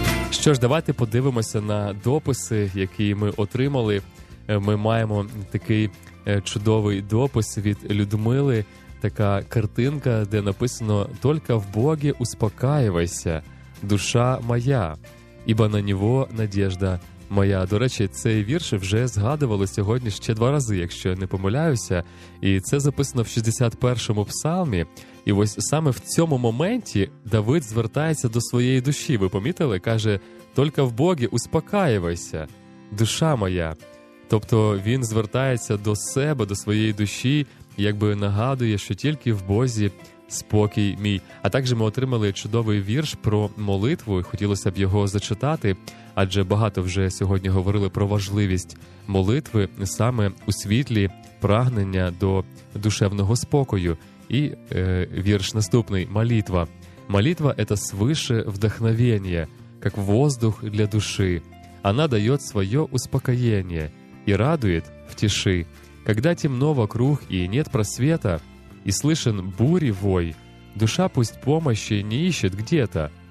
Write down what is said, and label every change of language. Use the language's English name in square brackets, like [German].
[Ukrainian] Що ж, давайте подивимося на дописи, які ми отримали. Ми маємо такий чудовий допис від Людмили. Така картинка, де написано [Russian] «Только в Боге успокаивайся, душа моя, ибо на Него надежда моя». [Ukrainian] До речі, цей вірш вже згадували сьогодні ще два рази, якщо я не помиляюся. І це записано в 61-му псалмі. І ось саме в цьому моменті Давид звертається до своєї душі. Ви помітили? Каже, [Russian] «Только в Боге успокаивайся, душа моя». [Ukrainian] Тобто він звертається до себе, до своєї душі, якби нагадує, що тільки в Бозі спокій мій. А також ми отримали чудовий вірш про молитву, і хотілося б його зачитати, адже багато вже сьогодні говорили про важливість молитви саме у світлі прагнення до душевного спокою. І вірш наступний – молитва. [Russian] «Молитва – это свыше вдохновение, как воздух для души. Она дает свое успокоение и радует в тиши. Когда темно вокруг и нет просвета, и слышен бури вой, душа пусть помощи не ищет где-то.